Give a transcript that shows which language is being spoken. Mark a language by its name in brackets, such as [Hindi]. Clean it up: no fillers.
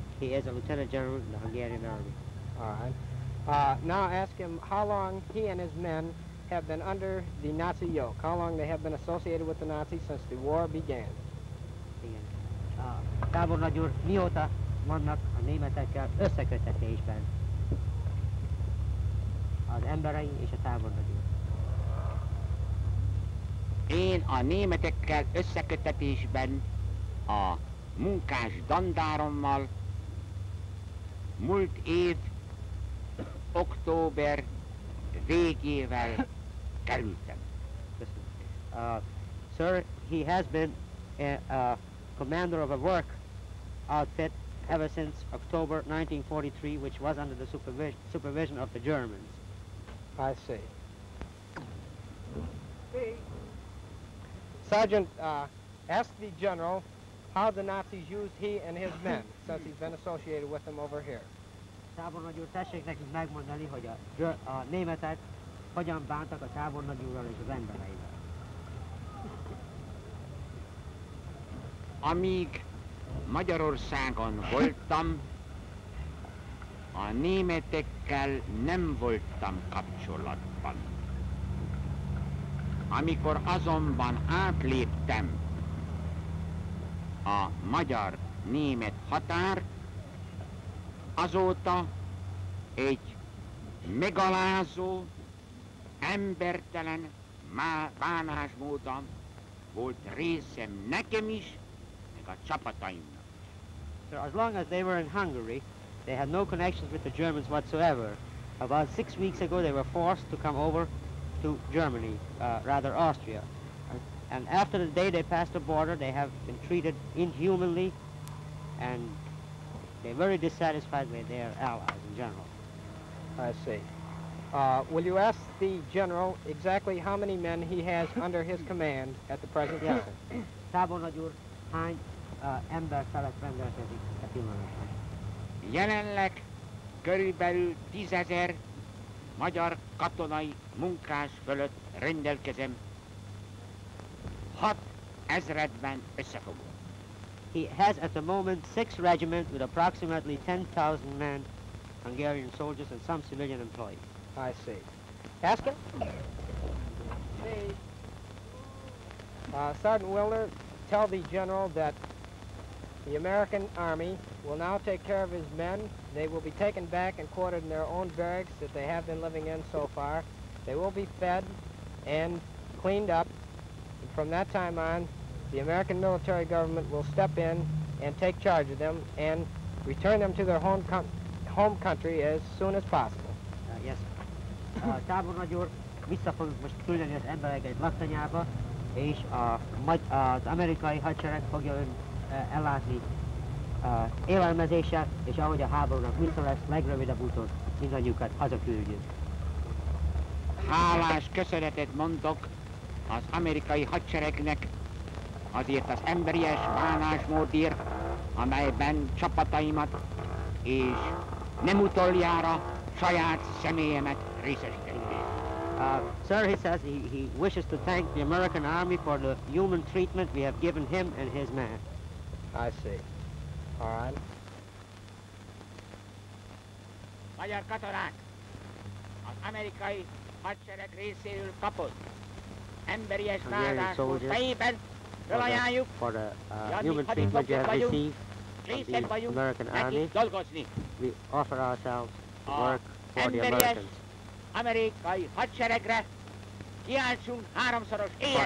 [English] He is a Lieutenant General in the Hungarian Army. All right. Now ask him how long he and his men have been under the Nazi yoke, how long they have been associated with the Nazis since the war began. [Hungarian] Igen. Tábornagy úr, mióta vannak a németekkel összeköttetésben? Az emberei és a tábornagy úr. Én a németekkel összeköttetésben a munkás dandárommal múlt év október végével kerültem. [English] Sir, he has been a commander of a work outfit ever since October 1943, which was under the supervision of the Germans. I see. Sergeant, ask the general how the Nazis used he and his men since he's been associated with them over here. [Hungarian] Tábornagy úr, tessék nekünk megmondani, hogy a németek hogyan bántak a tábornagy úrral és az embereivel. Amíg Magyarországon voltam, a németekkel nem voltam kapcsolatban. Amikor azonban átléptem a magyar-német határt, azóta egy megalázó, embertelen bánásmódom volt részem nekem is, meg a csapataimnak. [English] Sir, as long as they were in Hungary, they had no connections with the Germans whatsoever. About 6 weeks ago, they were forced to come over to Germany, rather Austria. And after the day they passed the border, they have been treated inhumanly, and they're very dissatisfied with their allies in general. I see. Will you ask the general exactly how many men he has under his command at the present time? Yes, sir. [Hungarian] Tábornagy úr, hány ember felett rendelkezik a pillanatban? Jelenleg körülbelül 10,000 magyar katonai munkás fölött rendelkezem. 6,000-ben összefogva. [English] He has at the moment 6 regiments with approximately 10,000 men, Hungarian soldiers and some civilian employees. I see. Ask him. Sergeant Wilner, tell the general that the American Army will now take care of his men. They will be taken back and quartered in their own barracks that they have been living in so far. They will be fed and cleaned up. And from that time on, the American military government will step in and take charge of them and return them to their home country as soon as possible. Yes, sir. [Hungarian] Tábornagy úr, vissza fogjuk most küldeni az embereket laktanyába, és az amerikai hadsereg fogja ellátni élelmezéssel, és ahogy a háborúnak vissza lesz, legrövidebb úton mindannyiukat hazaküldjük. Hálás köszönetet mondok az amerikai hadseregnek azért az emberies bánásmódért, amelyben csapataimat és nem utoljára saját személyemet részesítették. [English] Sir, he says he wishes to thank the American Army for the human treatment we have given him and his men. I see. All right. [Hungarian] Magyar katonák, az amerikai hadsereg részéről kapott emberies bánásmód fejében felajánljuk, [English] for the human treatment you have received from the American Army. We offer ourselves to work for the Americans. [Hungarian] Amerikai hadseregre kiáltsunk háromszoros éjjel!